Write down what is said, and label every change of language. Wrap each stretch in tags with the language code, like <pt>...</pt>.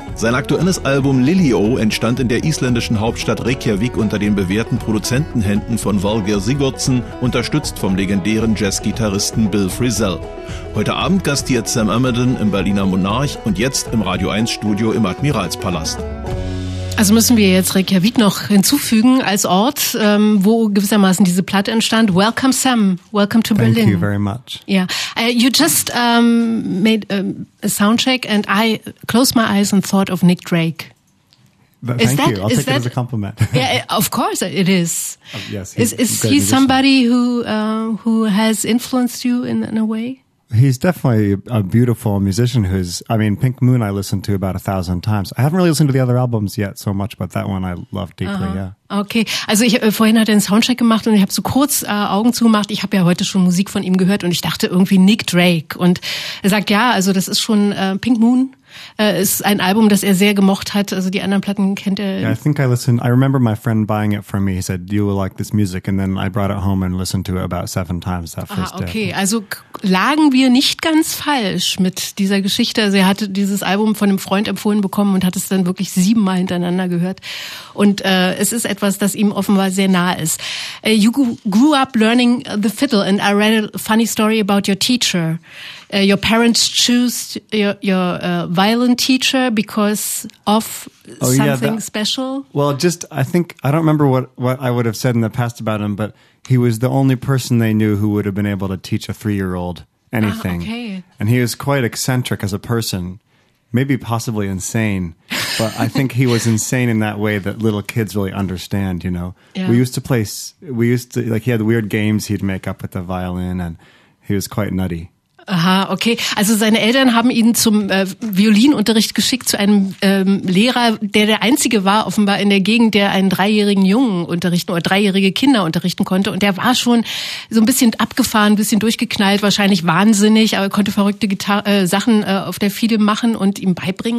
<de>Sein aktuelles Album Lilio entstand in der isländischen Hauptstadt Reykjavik unter den bewährten Produzentenhänden von Valgeir Sigurdsson, unterstützt vom legendären Jazzgitarristen Bill Frisell. Heute Abend gastiert Sam Amadon im Berliner Monarch und jetzt im Radio 1 Studio im Admiralspalast. Also müssen wir jetzt Reykjavik noch hinzufügen als Ort, wo gewissermaßen diese Platte entstand.</de> <en>Welcome, Sam. Welcome to Berlin. Thank you very much. Yeah. You just made a soundcheck and I closed my eyes and thought of Nick Drake. Thank you. I'll take it as a compliment. Yeah, of course it is. Yes. Is he somebody who has influenced you in a way? He's definitely a beautiful musician Pink Moon I listened to about 1,000 times. I haven't really listened to the other albums yet so much, but that one I love deeply, uh-huh. Yeah.</en> <de>Okay, also vorhin hat er einen Soundcheck gemacht und ich habe so kurz Augen zugemacht. Ich habe ja heute schon Musik von ihm gehört und ich dachte irgendwie Nick Drake. Und er sagt, ja, also das ist schon Pink Moon. Ist ein Album, das er sehr gemocht hat. Also die anderen Platten kennt er.</de> <en>Yeah, I think I remember my friend buying it from me. He said, you will like this music. And then I brought it home and listened to it about 7 times that first day.</en> <de>Okay, also lagen wir nicht ganz falsch mit dieser Geschichte. Also er hatte dieses Album von einem Freund empfohlen bekommen und hat es dann wirklich 7 Mal hintereinander gehört. Und es ist etwas, das ihm offenbar sehr nahe ist.</de> <en>You grew up learning the fiddle and I read a funny story about your teacher. Your parents choose your violin teacher because of special? Well, I don't remember what I would have said in the past about him, but he was the only person they knew who would have been able to teach a 3-year-old anything. Okay. And he was quite eccentric as a person, maybe possibly insane, but I think he was insane in that way that little kids really understand, you know. Yeah. We used to, he had weird games he'd make up with the violin and he was quite nutty. Aha, okay.</en> <de>Also seine Eltern haben ihn zum Violinunterricht geschickt zu einem Lehrer, der einzige war offenbar in der Gegend, der einen 3-jährigen Jungen unterrichten oder 3-jährige Kinder unterrichten konnte. Und der war schon so ein bisschen abgefahren, ein bisschen durchgeknallt, wahrscheinlich wahnsinnig, aber konnte verrückte Sachen auf der Fiedel machen und ihm beibringen.</de>